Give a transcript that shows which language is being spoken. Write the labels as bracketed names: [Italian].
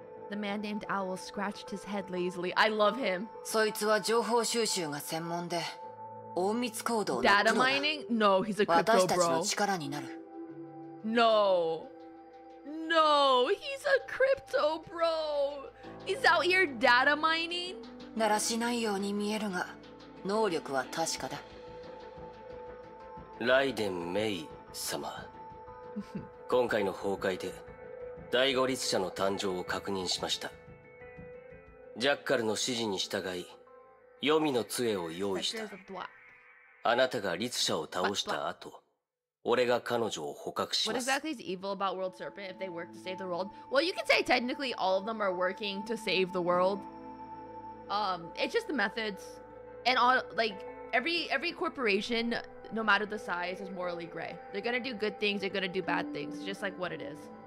[English] The man named Owl scratched his head lazily. I love him. [Japanese] そいつは情報収集が専門で、隠密行動 [English] の Data mining? No, he's a crypto bro. [Japanese] 私たちの力になる。 [English] No. No, he's a crypto bro. He's out here data mining? [Japanese] ならしないように見えるが、能力は確かだ。ライデン・メイ様。今回の崩壊で、第五律者の誕生を確認しました。ジャッカルの指示に従い、黄泉の杖を用意した。あなたが律者を倒した後、俺が彼女を捕獲します。 [English] What exactly is evil about World Serpent if they work to save the world? Well, you can say technically all of them are working to save the world. It's just the methods. And all, like, every corporation, no matter the size, is morally gray. They're gonna do good things, they're gonna do bad things. Just like what it is.